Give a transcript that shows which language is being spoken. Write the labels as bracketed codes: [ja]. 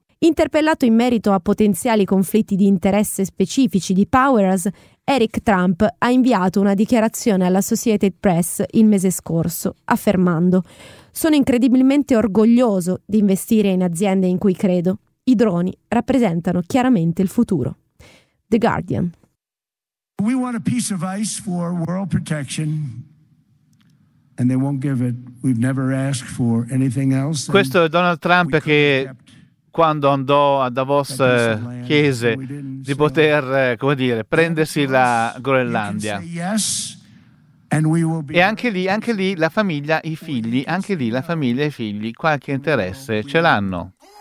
[it] Interpellato in merito a potenziali conflitti di interesse specifici di Powerhouse, Eric Trump ha inviato una dichiarazione alla Associated Press il mese scorso, affermando: «Sono incredibilmente orgoglioso di investire in aziende in cui credo. I droni rappresentano chiaramente il futuro». The Guardian. [en] We want a piece of ice for world protection. And they won't give it. We've never asked for anything else. [it] Questo è Donald Trump che, quando andò a Davos, chiese di poter, come dire, prendersi la Groenlandia. E anche lì la famiglia, i figli, anche lì la famiglia e i figli qualche interesse ce l'hanno.